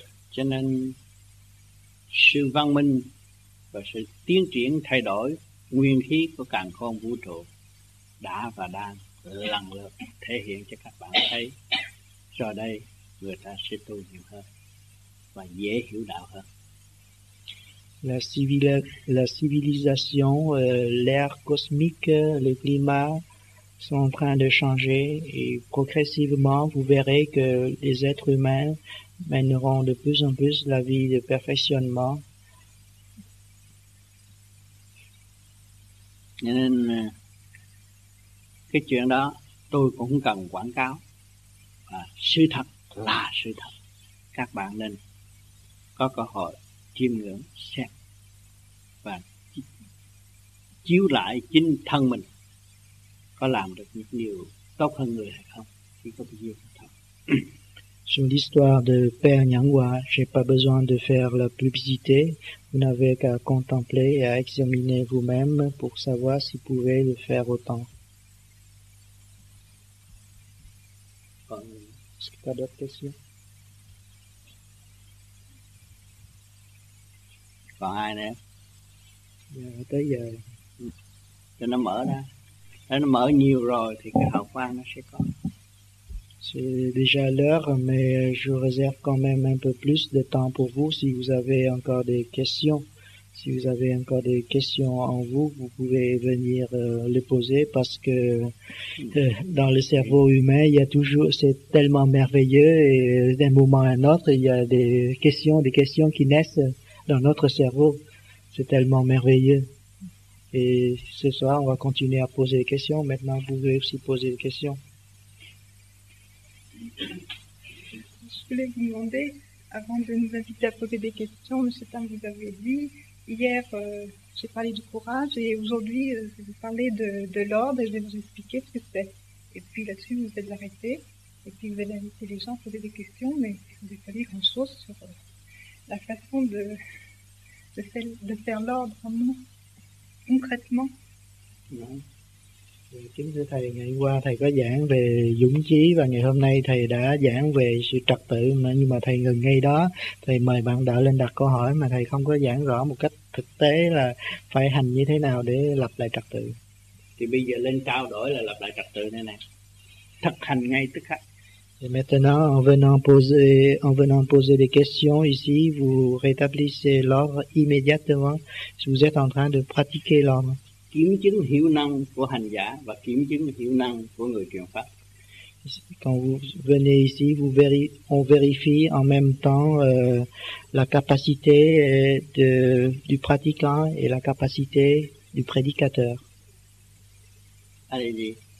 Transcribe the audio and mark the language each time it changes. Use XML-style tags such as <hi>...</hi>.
<vi>Cho nên, sự văn minh và sự tiến triển thay đổi nguyên khí của càn khôn vũ trụ đã và đang lần lượt thể hiện cho các bạn thấy. Cho đây, người ta sẽ tu nhiều hơn và dễ hiểu đạo hơn.</vi> <fr>La civilisation, l'air cosmique, le climat sont en train de changer et progressivement vous verrez que les êtres humains mèneront de plus en plus la vie de perfectionnement.</fr> <vi>Nên cái chuyện đó tôi cũng cần quảng cáo, à, sự thật là sự thật, các bạn nên có cơ hội chiêm ngưỡng xem và chiếu lại chính thân mình có làm được những điều tốt hơn người hay không, chỉ có cái điều thôi.</vi> <fr>Sur l'histoire de Père Nyangwa, j'ai pas besoin de faire la publicité. Vous n'avez qu'à contempler et à examiner vous-même pour savoir si vous pouvez le faire autant. Est-ce que tu as d'autres questions?</fr> <vi>Còn ai nè? Tới giờ cho nó mở ra. Nếu nó mở nhiều rồi thì cái hậu quả nó sẽ có.</vi> <fr>C'est déjà l'heure, mais je réserve quand même un peu plus de temps pour vous. Si vous avez encore des questions, si vous avez encore des questions en vous, vous pouvez venir les poser, parce que dans le cerveau humain, il y a toujours, c'est tellement merveilleux, et d'un moment à un autre, il y a des questions qui naissent dans notre cerveau. C'est tellement merveilleux. Et ce soir, on va continuer à poser des questions. Maintenant, vous pouvez aussi poser des questions. Je voulais vous demander, avant de nous inviter à poser des questions, monsieur Tam, vous avez dit, hier, j'ai parlé du courage, et aujourd'hui, je vais vous parler de l'ordre, et je vais vous expliquer ce que c'est. Et puis là-dessus, vous êtes arrêté, et puis vous allez inviter les gens à poser des questions, mais vous n'avez pas dit grand-chose sur la façon de faire l'ordre en nous, concrètement. Non.</fr> <vi>Kính thưa thầy, ngày qua thầy có giảng về dũng chí và ngày hôm nay thầy đã giảng về sự trật tự, nhưng mà thầy ngừng ngay đó. Thầy mời bạn đạo lên đặt câu hỏi mà thầy không có giảng rõ một cách thực tế là phải hành như thế nào để lập lại trật tự. Thì bây giờ lên trao đổi là lập lại trật tự này nè. Thực hành ngay tức khắc.</vi> <fr>Et maintenant, en venant poser des questions ici, vous rétablissez l'ordre immédiatement si vous êtes en train de pratiquer l'ordre.</fr> <vi>Kiểm chứng hiệu năng của hành giả và kiểm chứng hiệu năng của người truyền pháp.</vi> <fr>Quand vous venez ici, on vérifie en même temps la capacité du pratiquant et la capacité du prédicateur. Allez-y.</fr>